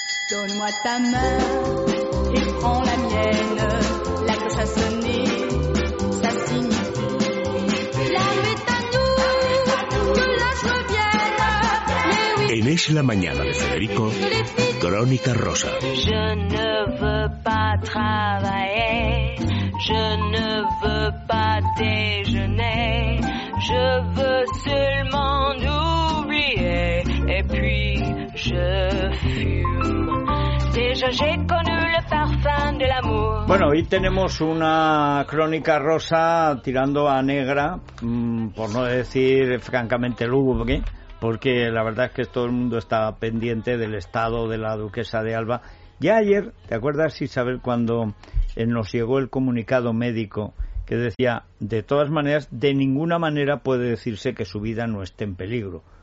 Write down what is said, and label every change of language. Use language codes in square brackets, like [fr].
[fr] Donne-moi ta main et prends la mienne. La cloche a sonné, ça signifie l'âme est à nous, que l'âge revienne. Mais oui, [es] en Es la mañana de Federico, Crónica Rosa. [fr] Je ne veux pas travailler, je ne veux pas déjeuner, je veux seulement oublier. Et puis je fume. Déjà j'ai connu le parfum de l'amour. [es] Bueno, hoy tenemos una crónica rosa tirando a negra, por no decir francamente lúgubre, porque la verdad es que todo el mundo está pendiente del estado de la duquesa de Alba. Ya ayer, ¿te acuerdas, Isabel, cuando nos llegó el comunicado médico que decía, de todas maneras, de ninguna manera puede decirse que su vida no esté en peligro?